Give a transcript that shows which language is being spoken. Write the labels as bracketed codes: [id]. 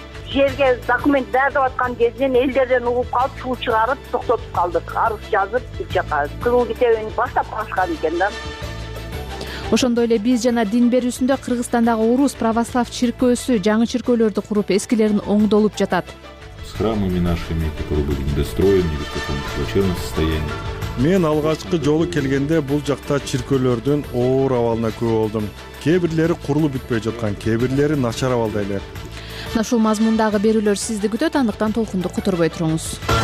[ky] Жерге документ бердип аткан кезден элдерден угуп калып, чуу чыгарып токтотуп калдык. Арыз жазып, кызыл китебин баштап калышкан экен да. Ошондой эле биз жана дин берүүсүндө Кыргызстандагы орус православ чиркөөсү жаңы чиркөөлөрдү куруп, эскилерин оңдолуп жатат. [ru] С храмами нашими, которые были недостроены, в каком-то плачевном состоянии. [ky] Мен алгачкы жолу келгенде бул жакта чиркөөлөрдүн оор абалына күбө болдум. Кээ бирлери курулуп бүтпөй жаткан, кээ бирлери начар абалда эле. Мына ушул мазмундагы берүүлөр сизди күтөт, андыктан толкунду котурбай туруңуз.